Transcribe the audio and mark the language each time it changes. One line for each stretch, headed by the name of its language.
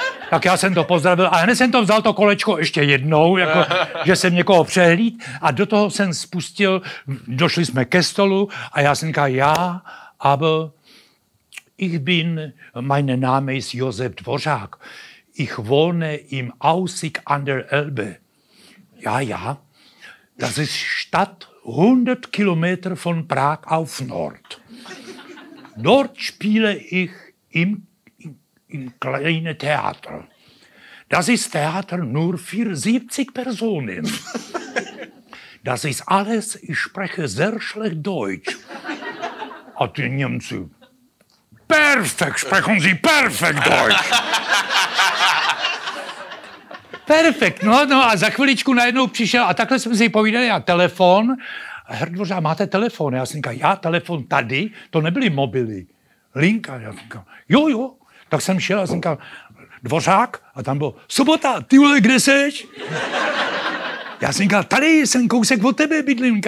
Czech: Tak já jsem to pozdravil a hned jsem to vzal to kolečko ještě jednou, jako, že jsem někoho přehlíd a do toho jsem spustil, došli jsme ke stolu a já jsem říkal, já,
German: aber ich bin, mein Name ist Josef Dvořák, ich wohne im Aussig an der Elbe. Ja, das ist Stadt 100 Kilometer von Prag auf Nord. Dort spiele ich im kleinen Theater. Das ist Theater nur für 70 Personen. Das ist alles, ich spreche sehr schlecht Deutsch. Und die Niemzy, perfekt, sprechen Sie perfekt Deutsch.
Czech: Perfekt, no a za chviličku najednou přišel a takhle jsme si povídali a telefon. A herr Dvořák, máte telefon? Já jsem říkal, já telefon tady? To nebyly mobily. Linka, já jsem říkal, jo. Tak jsem šel a jsem říkal, Dvořák? A tam bylo, Sobota, ty vole, kde seš? Já jsem říkal, tady jsem kousek od tebe bydlím.